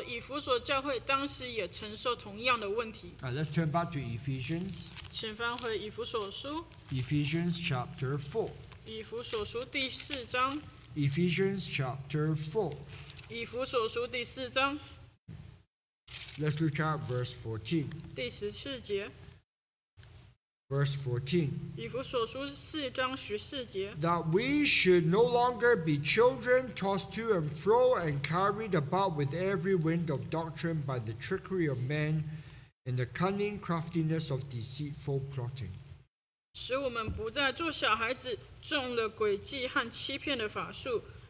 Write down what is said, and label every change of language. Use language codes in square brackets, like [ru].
[zh] 那我们再看到以弗所同野兽战斗的这个野兽，也就是代表说以弗所教会当时也承受同样的问题。 [en] Let's turn back to Ephesians. [zh] 请翻回以弗所书。 [en] Ephesians chapter 4. [zh] 以弗所书第四章。 [en] Ephesians chapter 4. [zh] 以弗所书第四章。 [en] Let's look at verse 14. [zh] 第14节。 [en] Verse 14. [zh] 以弗所书4章14节。 [en] That we should no longer be children tossed to and fro and carried about with every wind of doctrine by the trickery of men and the cunning craftiness of deceitful plotting. [zh] 使我们不再做小孩子中了诡计和欺骗的法术。